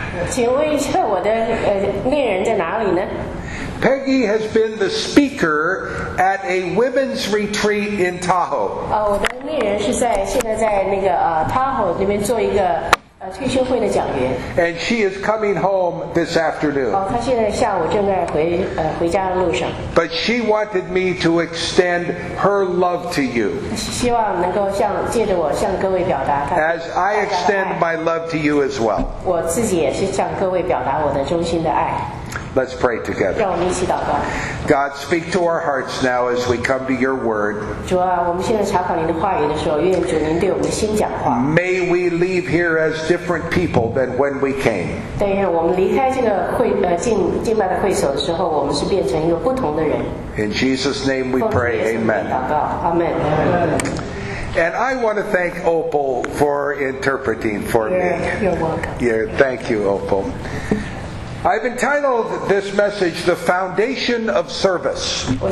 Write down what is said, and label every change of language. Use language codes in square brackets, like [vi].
[zh] 请问一下我的恋人在哪里呢? [en] Peggy has been the speaker at a women's retreat in Tahoe. [zh] 我的恋人是在现在在那个Tahoe 里面做一个退休会的讲员。 [en] And she is coming home this afternoon. [zh] 她现在下午正在回家的路上。 [en] But she wanted me to extend her love to you. [zh] 希望能够借着我向各位表达她。 [en] As I extend my love to you as well. [zh] 我自己也是向各位表达我的衷心的爱。 [en] Let's pray together. [zh] 让我们一起祷告。 [en] God, speak to our hearts now as we come to your word. [zh] 主啊，我们现在查考您的话语的时候，愿主您对我们的心讲话。 [en] May we leave here as different people than when we came. [zh] 但愿我们离开这个敬拜的会所的时候，我们是变成一个不同的人。 [en] In Jesus' name we pray, Amen. [zh] 祷告 ，Amen。 [en] And I want to thank Opal for interpreting for me. You're welcome. Yeah, thank you, Opal. I've entitled this message, The Foundation of Service.